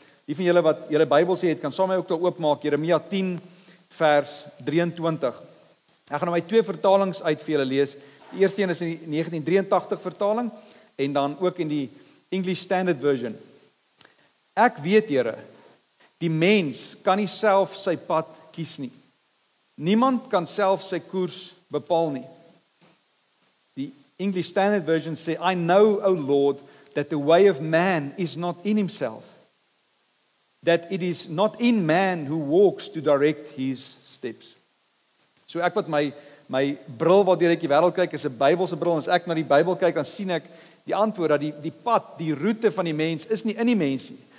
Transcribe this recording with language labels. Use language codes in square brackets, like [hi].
[af] Die van julle wat julle Bybel sê het, kan saam met my ook daar oopmaak Jeremia 10 vers 23. Ek gaan nou my twee vertalings uit vir julle lees. Die eerste een is in die 1983 vertaling en dan ook in die English Standard Version. Ek weet, Here, die mens kan nie self sy pad kies nie. Niemand kan self sy koers bepaal nie. Die English Standard Version sê, [en] I know, O Lord, that the way of man is not in himself, that it is not in man who walks to direct his steps. [af] So ek wat my bril waardeur ek die wêreld kyk, is 'n Bybelse bril, as ek na die Bybel kyk, dan sien ek die antwoord, dat die pad, die roete van die mens, is nie in die mens nie.